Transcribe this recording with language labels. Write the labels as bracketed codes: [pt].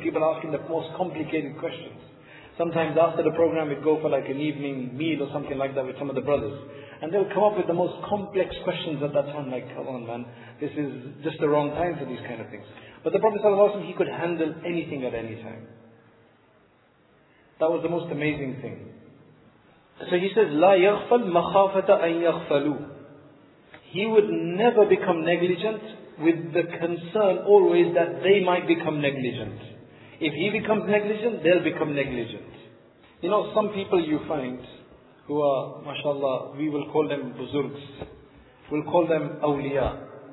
[en] People are asking the most complicated questions. Sometimes after the program we'd go for like an evening meal or something like that with some of the brothers. And they'll come up with the most complex questions at that time, like, come on man, this is just the wrong time for these kind of things. But the Prophet sallallahu alaihi wasallam, he could handle anything at any time. That was the most amazing thing. So he says, [ar] لَا يَغْفَلْ مَخَافَةَ أَنْ يَغْفَلُوا. [en] He would never become negligent with the concern always that they might become negligent. If he becomes negligent, they'll become negligent. You know, some people you find who are, mashallah, we will call them buzurgs, we'll call them awliya.